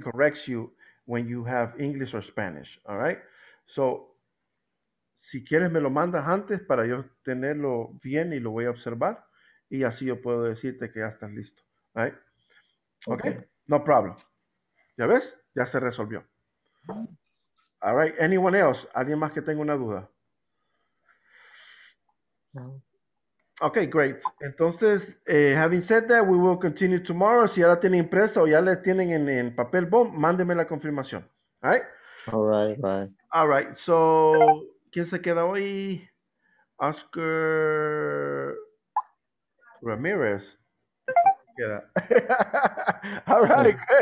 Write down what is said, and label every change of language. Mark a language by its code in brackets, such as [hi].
[en] Corrects you when you have English or Spanish. All right, so... [es] Si quieres, me lo mandas antes para yo tenerlo bien y lo voy a observar. Y así yo puedo decirte que ya estás listo. [en] Right? Okay. Ok, no problem. [es] ¿Ya ves? Ya se resolvió. [en] All right, anyone else? [es] ¿Alguien más que tenga una duda? No. [en] Ok, great. [es] Entonces, [en] having said that, we will continue tomorrow. [es] Si ya la tienen impresa o ya la tienen en papel, boom, mándeme la confirmación. [en] All right. All right, right. All right, so... [es] ¿Quién se queda hoy? Oscar Ramirez. Queda. [en] All right.